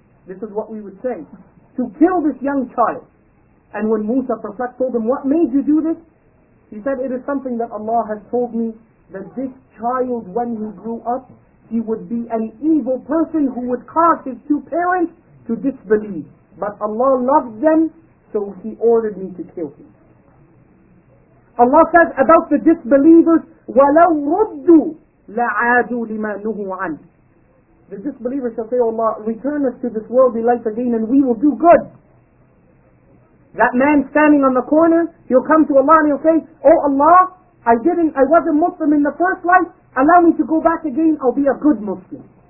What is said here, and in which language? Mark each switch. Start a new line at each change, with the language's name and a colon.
English: This is what we would say. To kill this young child. And when Musa perplexed told him, what made you do this? He said, it is something that Allah has told me, that this child, when he grew up, he would be an evil person who would cause his two parents to disbelieve. But Allah loved them, so he ordered me to kill him. Allah says about the disbelievers,
Arabic: وَلَوْ رُدُّوا لَعَادُوا لِمَا نُهُوا عَنْهُ.
English: The disbelievers shall say, O Allah, return us to this worldly life again and we will do good. That man standing on the corner, he'll come to Allah and he'll say, Oh Allah, I wasn't Muslim in the first life, allow me to go back again, I'll be a good Muslim.